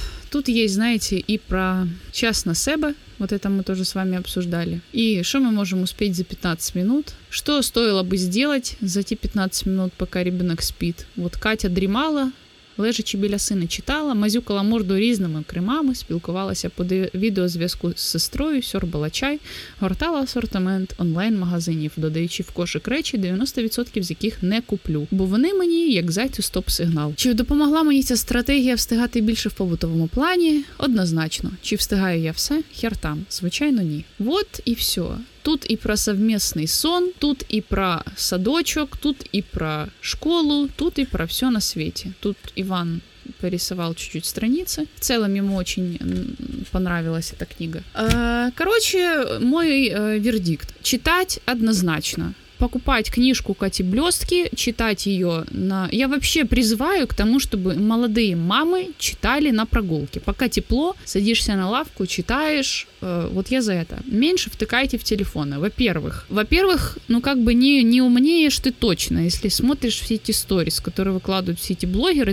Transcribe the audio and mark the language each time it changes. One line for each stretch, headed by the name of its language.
Russian: Тут есть, знаете, и про час на себе, вот это мы тоже с вами обсуждали. И что мы можем успеть за 15 минут? Что стоило бы сделать за те 15 минут, пока ребенок спит?
Ukrainian: Вот Катя дремала, лежачи біля сына читала, мазюкала морду різними кремами, спілкувалася по відеозв'язку з сестрою, сьорбала чай, гортала асортимент онлайн-магазинів, додаючи в кошик речі, 90% з яких не куплю, бо вони мені як зайцю стоп-сигнал. Чи допомогла мені ця стратегія встигати більше в побутовому плані? Однозначно. Чи встигаю я все? Хер там. Звичайно, ні. От і все. Тут і про совмісний сон, тут і про садочок, тут і про школу, тут і про все на світі. Тут Іван перерисував чуть-чуть страниці. В цілому йому дуже понравилася ця книга. Коротше, мій вердикт. Читати однозначно.
Russian: Покупать книжку Кати Блёстки, читать ее на... Я вообще призываю к тому, чтобы молодые мамы читали на прогулке. Пока тепло, садишься на лавку, читаешь. Вот я за это. Меньше втыкайте в телефоны, во-первых. Во-первых, ну как бы не умнеешь ты точно, если смотришь все эти сторис, которые выкладывают все эти блогеры.